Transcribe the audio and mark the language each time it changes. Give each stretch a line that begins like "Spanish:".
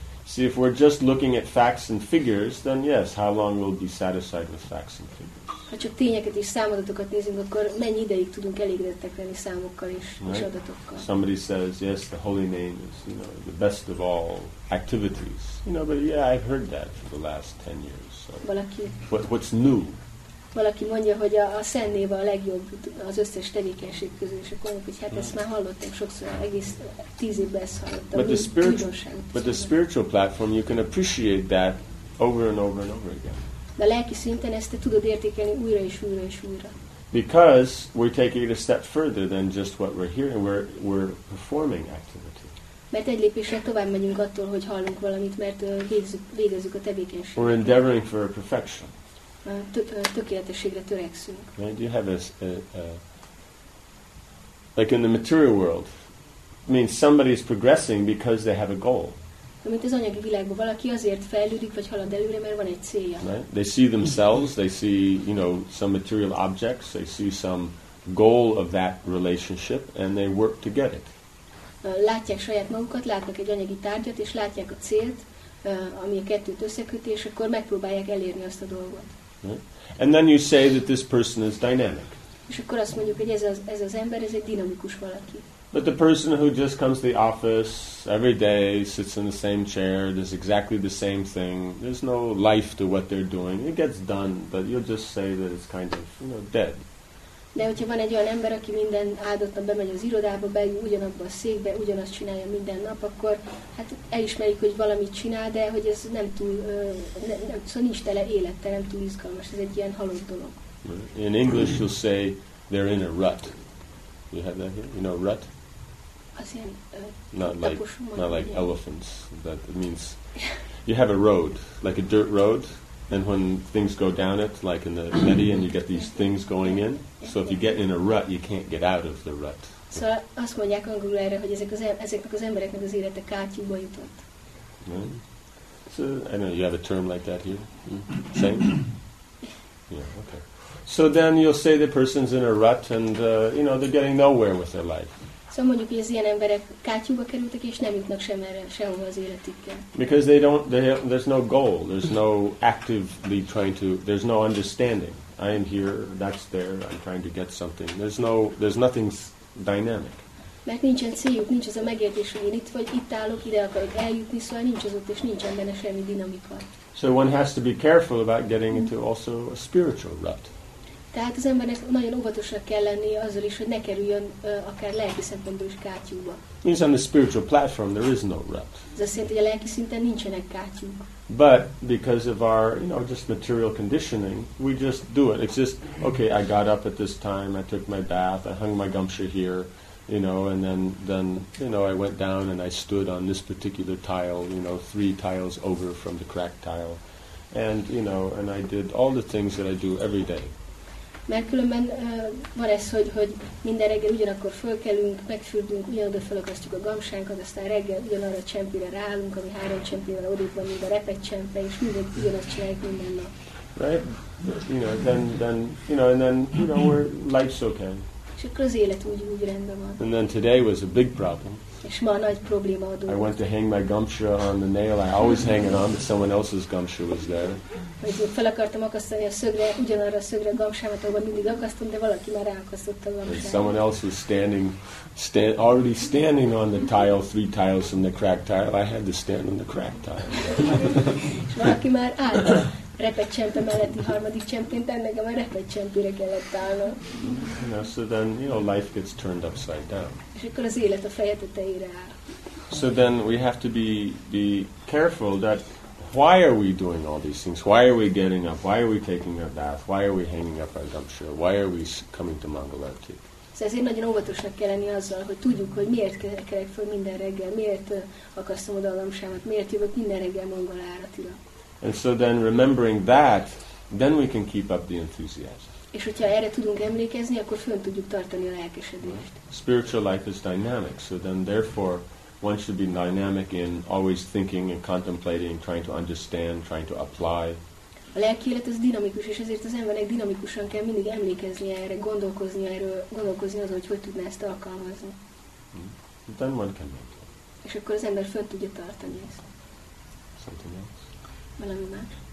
English: See, if we're just looking at facts and figures, then yes, how long we'll be satisfied with facts and figures.
Hungarian: Ha csak tényeket és számadatokat nézünk, akkor mennyi ideig tudunk elégedettek lenni számokkal és adatokkal.
English: Somebody says, yes, the holy name is, you know, the best of all activities. You know, but yeah, I've heard that for the last 10 years. So.
Hungarian: Valaki.
English: What's new?
Hungarian: Valaki mondja, hogy a Szent Név a legjobb az összes tevékenység közül, és akkor mondjuk, hogy hát ezt már hallottam sokszor, egész 10 évben ezt hallottam.
English: But the spiritual platform, you can appreciate that over and over and over again.
Hungarian: De a lelki szinten ezt te tudod értékelni újra és újra és újra.
English: Because we're taking it a step further than just what we're hearing, we're performing activity.
Hungarian: Mert egy lépéssel tovább megyünk attól, hogy hallunk valamit, mert végezzük a tevékenységet.
English: We're endeavoring for a perfection.
Hungarian: Tökéletességre törekszünk.
English: Right? You have a like in the material world, it means somebody is progressing because they have a goal.
Hungarian: Amint az anyagi világban valaki azért fejlődik vagy halad előre, mert van egy célja.
English: Right? They see themselves, they see, you know, some material objects, they see some goal of that relationship, and they work to get it.
Hungarian: Látják saját magukat, látnak egy anyagi tárgyat, és látják a célt, ami a kettőt összeköti, és akkor megpróbálják elérni azt a dolgot.
English: Right? And then you say that this person is dynamic.
Hungarian: És akkor azt mondjuk, hogy ez az ember, ez egy dinamikus valaki.
English: But the person who just comes to the office every day, sits in the same chair, does exactly the same thing, there's no life to what they're doing. It gets done, but you'll just say that it's kind of, you know, dead.
Hungarian: De hogyha van egy olyan ember, aki minden áldott nap bemegy az irodába, beül ugyanabba a székbe, ugyanazt csinálja minden nap, akkor hát elismerik, hogy valamit csinál, de hogy ez nem túl, szóval nincs tele élettel, nem túl izgalmas, ez egy ilyen halott dolog.
English: In English you'll say, they're in a rut. You have that here? You know, rut? Not like elephants, but it means you have a road, like a dirt road, and when things go down it, like in the Median, you get these things going in. So if you get in a rut, you can't get out of the rut.
Hungarian: So azt mondják angolul erre, hogy ezeknek az embereknek az élete kátyúba jutott.
English: So, I know, you have a term like that here? Same? Yeah, okay. So then you'll say the person's in a rut and, you know, they're getting nowhere with their life.
Hungarian: So mondjuk, hogy az ilyen emberek kátyúba kerültek, és nem jutnak sehova az életükkel.
English: Because they don't, there's no goal, there's no actively trying to, there's no understanding. I am here, that's there, I'm trying to get something. There's nothing dynamic.
Hungarian: Mert nincsen céljuk, nincs az a megértés, hogy én itt vagy, itt állok, ide akarok eljutni, szóval nincs az ott, és nincsen benne semmi dinamika.
English: So one has to be careful about getting into also a spiritual rut.
Hungarian: Tehát az embernek nagyon óvatosnak kell lenni azzal is, hogy ne kerüljön akár lelki szempontból is kátyúba.
English: Means on the spiritual platform there is no rut.
Hungarian: Ez azt jelenti, hogy a lelki szinten nincsenek kátyúk.
English: But because of our, you know, just material conditioning, we just do it. It's just, okay, I got up at this time, I took my bath, I hung my gumshoe here, you know, and then, you know, I went down and I stood on this particular tile, you know, three tiles over from the cracked tile. And, you know, and I did all the things that I do every day.
Hungarian: Mert különben van ez, hogy minden reggel ugyanakkor fölkelünk, megfürdünk, ugyanoda felakasztjuk a gamsánkat, aztán reggel ugyanarra a csempére ráállunk, ami három csempével odébb van, mint a repett csempe, és mindegy ugyanazt csináljuk minden nap.
English: Right? You know, then, we're life's okay.
Hungarian: És akkor az élet úgy rendben van.
English: And then today was a big problem.
Hungarian: És ma a nagy probléma adódott.
English: I went to hang my gumshoe on the nail. I always hang it on, but someone else's gumshoe was there.
Hungarian: Fel akartam akasztani a szögre, ugyanarra a szögre a gumshoe-mat, ahol mindig akasztom, de valaki már ráakasztott a gumshoe-t.
English: Someone else was already standing on the tile, three tiles from the cracked tile. I had to stand on the cracked tile.
Hungarian: És valaki már állt a repett csempe melletti harmadik csempén, de nekem a repett csempére kellett állnom.
English: So then, you know, life gets turned upside down.
Hungarian: És akkor az élet a feje tetejére áll.
English: So then we have to be careful that why are we doing all these things? Why are we getting up? Why are we taking a bath? Why are we hanging up our gumshoe? Why are we coming to Mangalarti?
Hungarian: So ezért nagyon óvatosnak kell lenni azzal, hogy tudjuk, hogy miért kerek föl minden reggel, miért akasztom oda a gumshoe-mat, miért jövök minden reggel Mangalartira.
English: And so then remembering that, then we can keep up the enthusiasm.
Hungarian: És hogyha erre tudunk emlékezni, akkor fönn tudjuk tartani a lelkesedést.
English: Spiritual life is dynamic, so then therefore one should be dynamic in always thinking and contemplating, trying to understand, trying to apply.
Hungarian: A lelki élet az dinamikus, és ezért az embernek dinamikusan kell mindig emlékezni erre, gondolkozni erről, gondolkozni azon, hogy tudná ezt alkalmazni.
English: Then one can make it.
Hungarian: És akkor az ember fönn tudja tartani ezt.
English: Something else?
Hungarian: Valami más?